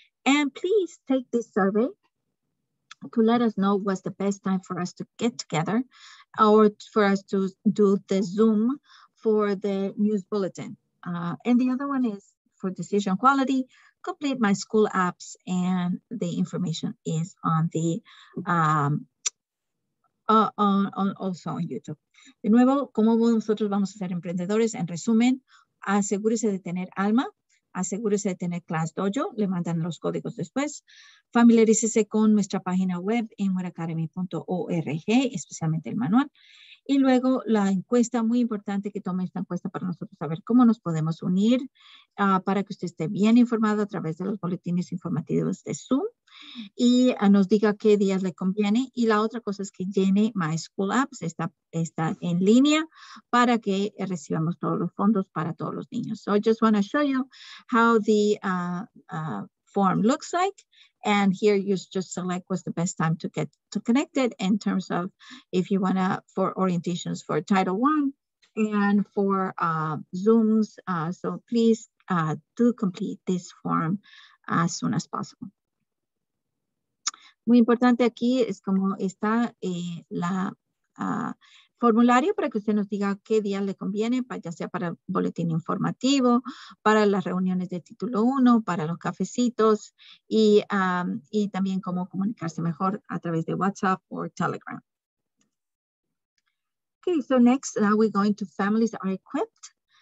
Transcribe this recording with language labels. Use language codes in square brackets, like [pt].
[en] And please take this survey to let us know what's the best time for us to get together or for us to do the Zoom for the news bulletin. And the other one is for decision quality, complete my school apps and the information is on the, on also on YouTube. [es] De nuevo, ¿cómo nosotros vamos a ser emprendedores? En resumen, asegúrese de tener ALMA, asegúrese de tener Class Dojo, le mandan los códigos después. Familiarícese con nuestra página web en inwoodacademy.org, especialmente el manual. Y luego la encuesta, muy importante que tome esta encuesta para nosotros saber cómo nos podemos unir para que usted esté bien informado a través de los boletines informativos de Zoom y nos diga qué días le conviene. Y la otra cosa es que llene My School Apps, está en línea para que recibamos todos los fondos para todos los niños. [en] So I just want to show you how the form looks like. And here you just select what's the best time to get to connected in terms of if you wanna for orientations for Title I and for Zooms. So please do complete this form as soon as possible. [es] Muy importante aquí es como está la formulario para que usted nos diga qué día le conviene, ya sea para el boletín informativo, para las reuniones de título 1, para los cafecitos y también cómo comunicarse mejor a través de WhatsApp o Telegram. [en] Okay, so next, now we're going to families that are equipped.